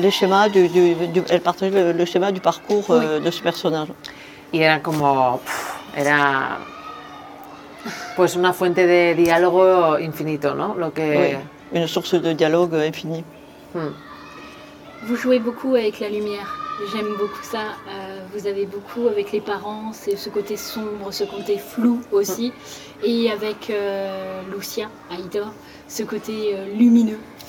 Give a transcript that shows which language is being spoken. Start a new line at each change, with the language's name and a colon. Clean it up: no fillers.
French: Le schéma du elle partageait le schéma du parcours, oui, de ce personnage.
Spanish: Y era como era pues una fuente de diálogo infinito, ¿no? Lo que,
French: oui, une source de dialogue infini. Vous jouez beaucoup avec la lumière. J'aime beaucoup ça. Vous avez beaucoup avec les parents, c'est ce côté sombre, ce côté flou aussi, et avec Lucia, Aïda, ce côté lumineux.